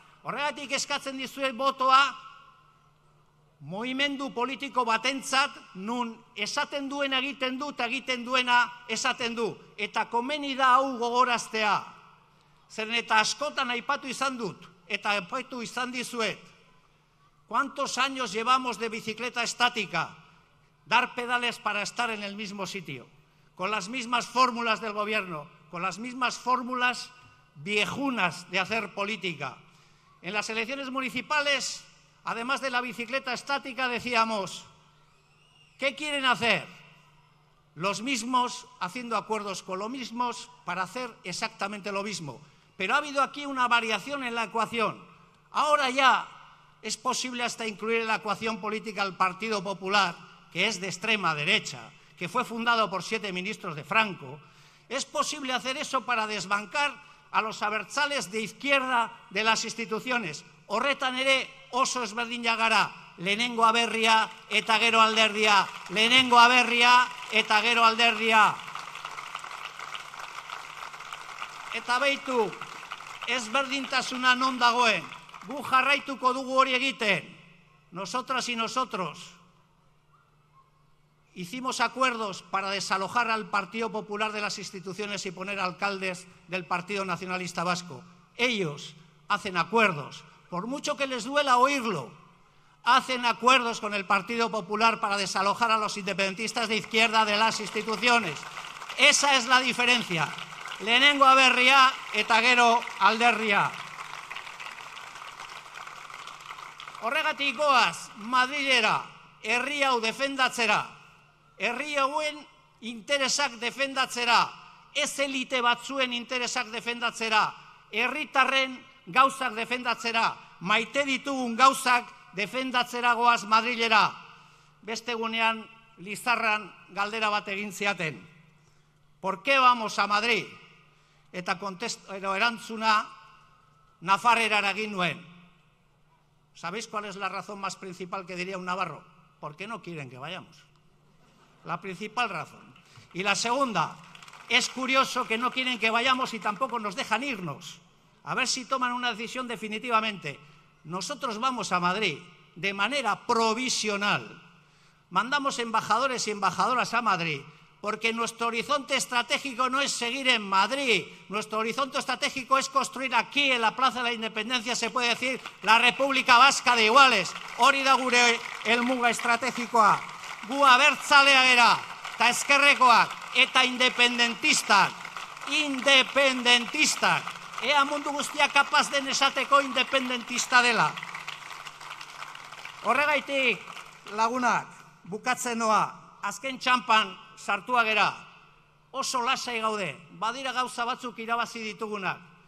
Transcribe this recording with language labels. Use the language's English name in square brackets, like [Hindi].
[Basque] Horregatik eskatzen dizuet botoa mugimendu politiko batentzat, nun esaten duena egiten du eta egiten duena esaten du. Eta komeni da hau gogoraztea. Zeren eta askotan aipatu izan dut, eta aipatu izan dizuet. [Spanish] ¿Cuántos años llevamos de bicicleta estática? Dar pedales para estar en el mismo sitio. Con las mismas fórmulas del gobierno, con las mismas fórmulas viejunas de hacer política. En las elecciones municipales, además de la bicicleta estática, decíamos, ¿qué quieren hacer? Los mismos, haciendo acuerdos con los mismos, para hacer exactamente lo mismo. pero ha habido aquí una variación en la ecuación. Ahora ya es posible hasta incluir en la ecuación política al Partido Popular, que es de extrema derecha, que fue fundado por 7 ministros de Franco. Es posible hacer eso para desbancar a los abertzales de izquierda de las instituciones. [Basque] Horretan ere oso ezberdin jagara, lehenengo aberria eta gero alderdia, lehenengo aberria eta gero alderdia. Eta beitu, ezberdintasuna non dagoen, gu jarraituko dugu hori egiten. [Spanish] Nosotras y nosotros hicimos acuerdos para desalojar al Partido Popular de las instituciones y poner alcaldes del Partido Nacionalista Vasco. Ellos hacen acuerdos, por mucho que les duela oírlo, hacen acuerdos con el Partido Popular para desalojar a los independentistas de izquierda de las instituciones. Esa es la diferencia. [Basque] Lehenengo aberria eta gero alderria. Horregatik goaz, Madrilera, herri hau defendatzera, herri hauen interesak defendatzera, ez elite batzuen interesak defendatzera, herritarren gauzak defendatzera, maite ditugun gauzak defendatzera goaz Madrilera. Beste gunean, Lizarran galdera bat egin ziaten. [Spanish] Por qué vamos a Madrid? [Basque] Eta erantzuna nafarrera egin nuen. [Spanish] ¿Sabéis cuál es la razón más principal que diría un navarro? ¿Por qué no quieren que vayamos? La principal razón. Y la segunda, es curioso que no quieren que vayamos y tampoco nos dejan irnos. A ver si toman una decisión definitivamente. Nosotros vamos a Madrid de manera provisional. Mandamos embajadores y embajadoras a Madrid porque nuestro horizonte estratégico no es seguir en Madrid. Nuestro horizonte estratégico es construir aquí, en la Plaza de la Independencia, se puede decir, la República Vasca de Iguales. [Basque] Hori da gure helmuga estratégikoa. Gu abertzalea gera, eta ezkerrekoak, eta independentistak, independentistak. Ea mundu guztia kapaz den esateko independentista dela. Horregaitik, lagunak, bukatzen noa, azken txampan sartua gera, oso lasai gaude, badira gauza batzuk irabazi ditugunak.